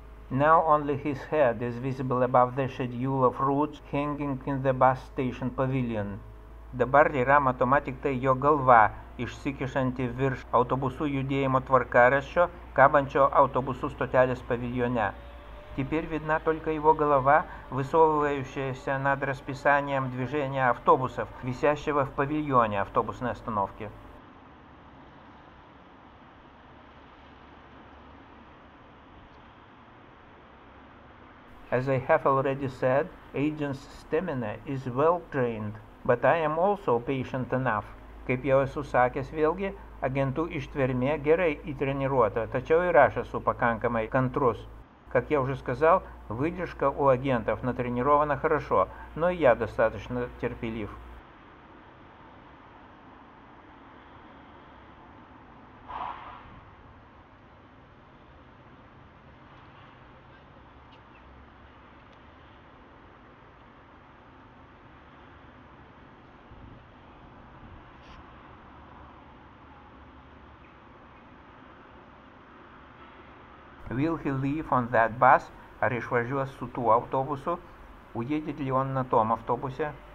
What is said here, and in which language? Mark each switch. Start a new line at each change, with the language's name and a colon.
English: Now only his head is visible above the schedule of routes hanging in the bus station pavilion.
Lithuanian: Dabar yra matoma tik tai jo galva, išsikišanti virš autobusų judėjimo tvarkaraščio, kabančio autobusų stotelės pavilione.
Russian: Теперь видна только его голова, высовывающаяся над расписанием движения автобусов, висящего в павильоне автобусной остановки.
English: As I have already said, agent's stamina is well trained, but I am also patient enough.
Lithuanian: Kaip jau esu sakęs vėlgi, agentų ištvermė gerai įtreniruota, tačiau ir aš esu pakankamai kantrus.
Russian: Как я уже сказал, выдержка у агентов натренирована хорошо, но и я достаточно терпелив.
English: Will he leave on that bus?
Lithuanian: Ar išvažiuos su tuo autobusu?
Russian: Уедет ли он на том автобусе?